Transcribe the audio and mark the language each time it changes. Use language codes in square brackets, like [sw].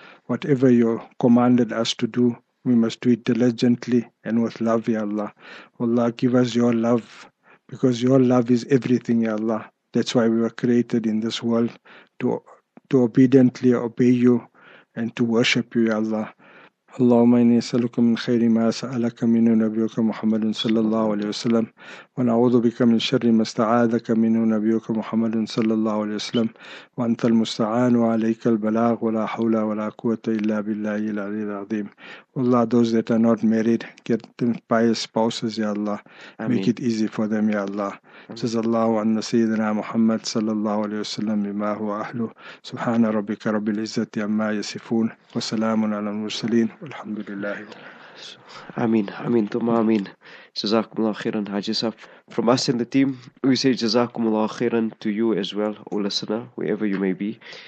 [en] Whatever you commanded us to do, we must do it diligently and with love, Ya Allah. Allah, give us your love, because your love is everything, Ya Allah. That's why we were created in this world, to obediently obey you and to worship you, Ya Allah. [ar] اللهم إني أسألك من خير ما سألك منه نبيك محمد صلى الله عليه وسلم، ونعوذ بك من شر ما استعاذك منه نبيك محمد صلى الله عليه وسلم، وأنت المستعان وعليك البلاغ، ولا حول ولا قوة إلا بالله العلي العظيم. [en] والله those that are not married, get them pious spouses, يا الله. Ameen. Make it easy for them, يا الله. [ar] جزا الله عن سيدنا محمد صلى الله عليه وسلم بما هو أهله. سبحان ربك رب العزة عما يصفون، وسلام على المرسلين، والحمد لله. [en] Ameen, ameen, tumma ameen. Jazakumullah khairan, Haji Sahab. From us and the team, we say Jazakumullah khairan to you as well, O listener, wherever you may be.